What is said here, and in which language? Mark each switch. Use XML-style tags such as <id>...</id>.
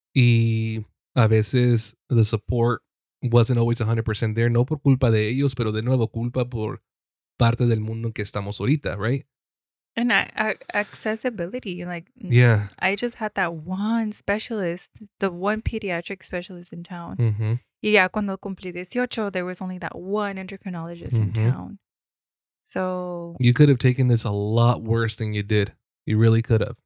<es>Y a veces</es> <en>the support wasn't always 100% there.</en> <es>No por culpa de ellos, pero de nuevo culpa por parte del mundo en que estamos ahorita, right?</es> <en>And accessibility, like, yeah. I just had that one specialist, the one pediatric specialist in town. Mm-hmm.</en> <es>Y ya cuando cumplí 18,</es> <en>there was only that one endocrinologist mm-hmm. in town. So you could have taken this a lot worse than you did. You really could have.</en>